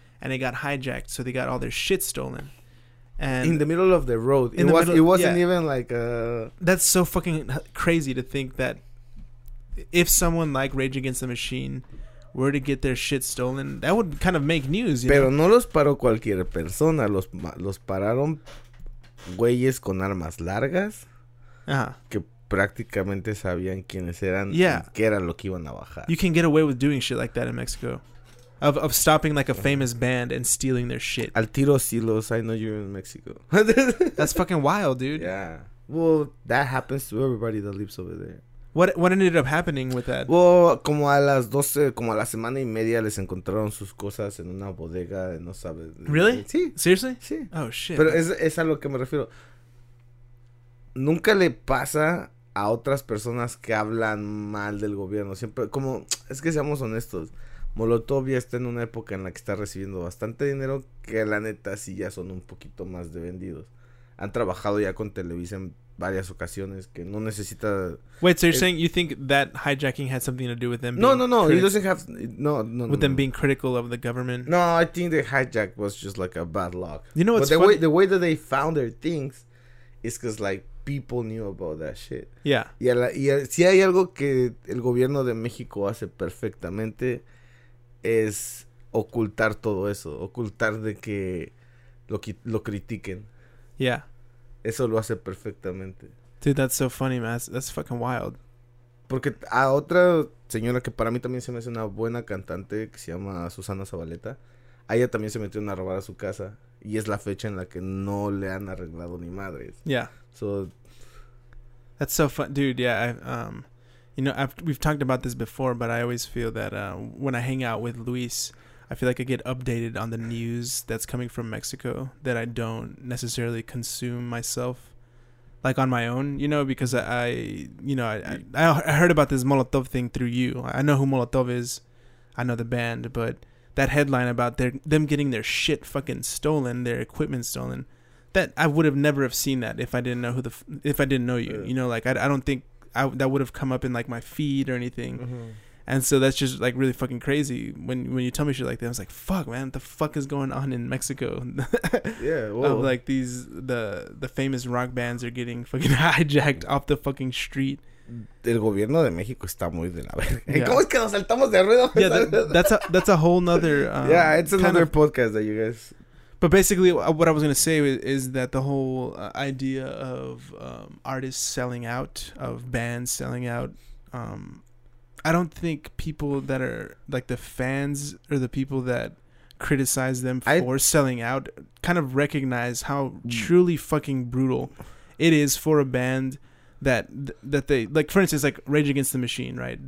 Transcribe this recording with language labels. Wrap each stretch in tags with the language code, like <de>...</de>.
<en>And it got hijacked, so they got all their shit stolen. And in the middle of the road. It wasn't even like... That's so fucking crazy to think that if someone like Rage Against the Machine were to get their shit stolen, that would kind of make news, you know?</en> <es>No los paró cualquier persona. Los pararon güeyes con armas largas que prácticamente sabían quiénes eran y qué era lo que iban a bajar.</es> <en>You can get away with doing shit like that in Mexico. Of stopping like a famous band and stealing their shit.</en> <es>Al tiro silos,</es> <en>I know you're in Mexico. That's fucking wild, dude. Yeah. Well, that happens to everybody that lives over there. What ended up happening with that? Well,</en> <es>como a las 12, como a la semana y media, les encontraron sus cosas en una bodega, no sabes.</es> <en>Really?</en> <es>Sí.</es> <en>Seriously?</en> <es>Sí.</es> <en>Oh, shit.</en> <es>Pero es a lo que me refiero. Nunca le pasa a otras personas que hablan mal del gobierno. Siempre, como, es que seamos honestos. Molotov ya está en una época en la que está recibiendo bastante dinero, que la neta sí ya son un poquito más de vendidos. Han trabajado ya con Televisa en varias ocasiones, que no necesita.</es> <en>Wait, so you're saying you think that hijacking had something to do with them? No, being critical of the government. No, I think the hijack was just like a bad luck. You know what's funny? But the way that they found their things is because like people knew about that shit. Yeah.</en> <es>Y si hay algo que el gobierno de México hace perfectamente es ocultar todo eso, ocultar de que lo critiquen.</es> <en>Yeah.</en> <es>Eso lo hace perfectamente.</es> <en>Dude, that's so funny, man. That's fucking wild.</en> <es>Porque a otra señora que para mí también se me hace una buena cantante, que se llama Susana Zabaleta, a ella también se metieron a robar a su casa. Y es la fecha en la que no le han arreglado ni madres.</es> <en>Yeah. So. That's so fun. Dude, yeah. We've talked about this before, but I always feel that when I hang out with Luis, I feel like I get updated on the news that's coming from Mexico that I don't necessarily consume myself, like on my own, you know, because I heard about this Molotov thing through you. I know who Molotov is. I know the band, but that headline about them getting their shit fucking stolen, their equipment stolen, that I would have never have seen that if I didn't know you, you know, like I don't think that would have come up in like my feed or anything. Mm-hmm. And so that's just like really fucking crazy when you tell me shit like that. I was like, fuck, man, what the fuck is going on in Mexico? Yeah, well, like these the famous rock bands are getting fucking hijacked off the fucking street.</en> <es>El gobierno de México está muy de la verga.</es> <en>Yeah.</en> <es>¿Cómo es que nos saltamos de ruido?</es> <en>Yeah, that's a whole nother it's another kind of podcast that you guys. But basically what I was going to say is that the whole idea of artists selling out, of bands selling out, I don't think people that are like the fans or the people that criticize them for selling out kind of recognize how truly fucking brutal it is for a band that they, like, for instance, like Rage Against the Machine, right?</en>